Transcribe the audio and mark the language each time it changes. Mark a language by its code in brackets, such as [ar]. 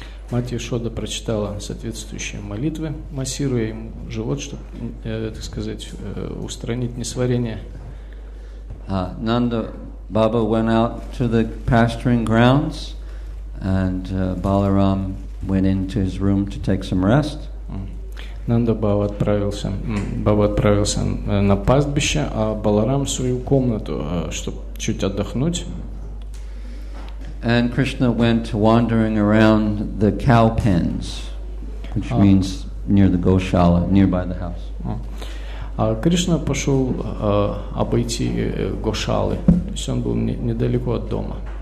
[ru] Мать Яшода прочитала соответствующие молитвы, массируя ему живот, чтобы, так сказать, устранить несварение. [en] Nanda Baba went out to the pasturing grounds, and Balaram went into his room to take some rest. [ru] Нанда Баба отправился на пастбище, а Баларам в свою комнату, чтобы чуть отдохнуть. [en] And Krishna went wandering around the cow pens, which means near the goshala, nearby the house. [ru] А Кришна пошел обойти гошалы, то есть он был недалеко от дома.